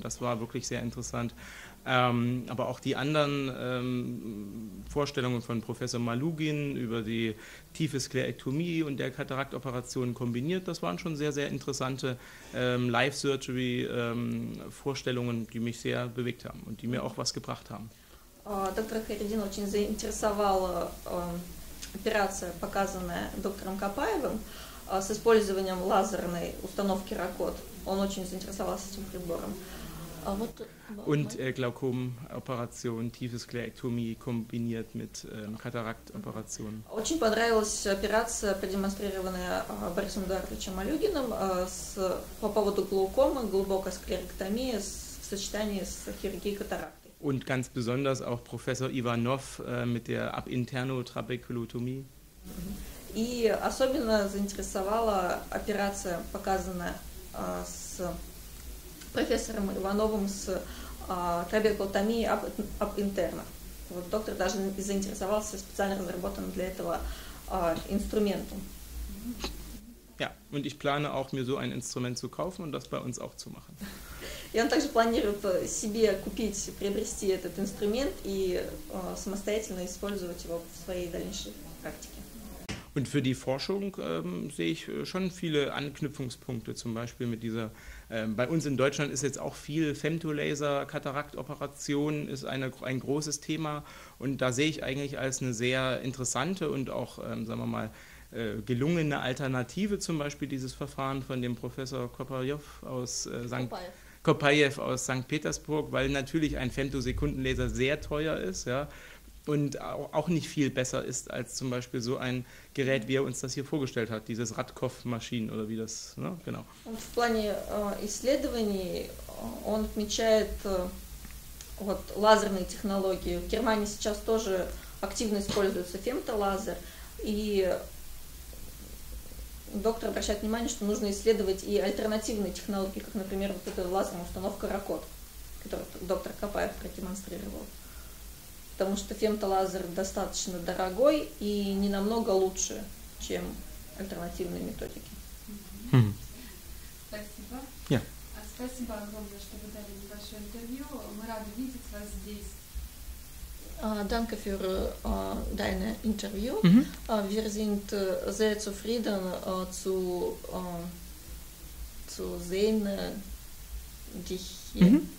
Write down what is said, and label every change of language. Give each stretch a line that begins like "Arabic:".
German: Das war wirklich sehr interessant. Aber auch die anderen Vorstellungen von Professor Malugin über die tiefe Sklerektomie und der Kataraktoperation kombiniert, das waren schon sehr, sehr interessante Live-Surgery-Vorstellungen, die mich sehr bewegt haben und die mir auch was gebracht haben.
Russian: Доктор Хайреддин очень заинтересовала операция, показанная доктором Капаевым с использованием лазерной установки РАКОТ. Он очень заинтересовался этим прибором. А вот
German: Und Glaukomoperation, tiefe Sklerektomie kombiniert mit Kataraktoperationen.
Russian: Очень понравилась операция, продемонстрированная Борисом Эдуардовичем Малюгиным по поводу глаукомы, глубокой склероэктомии в сочетании с хирургией катаракты.
German: Und ganz besonders auch Professor Ivanov mit der Abinterno-Trabekulotomie.
Russian: И особенно заинтересовала операция, показанная с профессором Ивановым с трабекулотомией абинтерно. Вот доктор даже заинтересовался специально разработанным для этого инструментом.
German: Ja, und ich plane auch, mir so ein Instrument zu kaufen und das бei uns auch zu machen.
Russian: И он также планирует себе купить, приобрести этот инструмент и самостоятельно использовать его в своей дальнейшей практике.
German: Und für die Forschung sehe ich schon viele Anknüpfungspunkte, zum Beispiel mit dieser. Bei uns in Deutschland ist jetzt auch viel Femtolaser-Kataraktoperation ist ein großes Thema und da sehe ich eigentlich als eine sehr interessante und auch, sagen wir mal, gelungene Alternative zum Beispiel dieses Verfahren von dem Professor Kopajew aus St. Petersburg, weil natürlich ein Femtosekundenlaser sehr teuer ist, ja. Und auch nicht viel besser ist als zum Beispiel so ein Gerät, wie er uns das hier vorgestellt hat, dieses Radkoff-Maschinen oder wie das, ne? Genau.
Russian: Und в плане исследований он отмечает вот лазерные технологии. В Германии сейчас тоже активно используется фемтолазер, и доктор обращает внимание, что нужно исследовать и альтернативные технологии, как, например, вот эта лазерная установка РАКОТ, которую доктор Капаев продемонстрировал. Потому что фемтолазер достаточно дорогой и не намного лучше, чем альтернативные методики. Спасибо.
English: Yeah.
Russian: Спасибо огромное, что вы дали небольшое интервью. Мы рады видеть вас здесь.
German: Danke für deine Interview. Wir sind sehr zufrieden zu sehen dich hier.